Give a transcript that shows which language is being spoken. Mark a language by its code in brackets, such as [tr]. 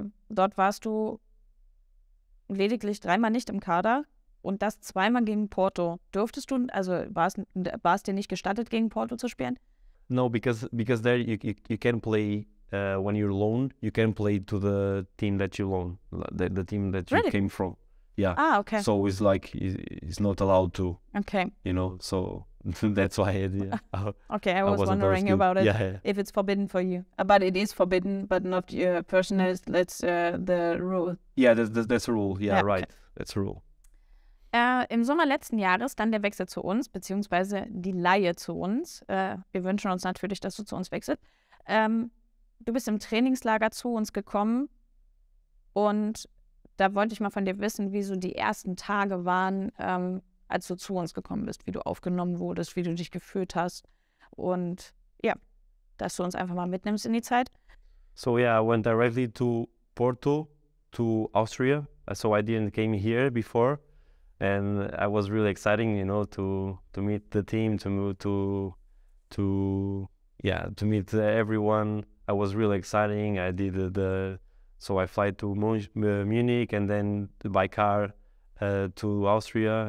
[de] Dort warst du lediglich 3-mal nicht im Kader und das 2-mal gegen Porto. Dürftest du, also war es dir nicht gestattet, gegen Porto zu spielen? [en] No, because there you can play. When you're loaned, you can play to the team that you loan, the team that really? You came from. Yeah. Ah, okay. So it's like, it's not allowed to. Okay. You know, so that's why. Okay, I was wondering about it. Yeah, yeah. If it's forbidden for you. But it is forbidden, but not your personal. That's the rule. Yeah, that's a rule. Yeah, yeah, right. Okay. That's a rule. [de] Im Sommer letzten Jahres dann der Wechsel zu uns, beziehungsweise die Leihe zu uns. Wir wünschen uns natürlich, dass du zu uns wechselst. Du bist im Trainingslager zu uns gekommen und da wollte ich mal von dir wissen, wie so die ersten Tage waren, als du zu uns gekommen bist, wie du aufgenommen wurdest, wie du dich gefühlt hast und ja, dass du uns einfach mal mitnimmst in die Zeit. [en] So yeah, I went directly to Porto, to Austria. So I didn't came here before and I was really excited, you know, to meet the team, to meet everyone. I was really exciting. I did so I fly to Munich and then by car to Austria.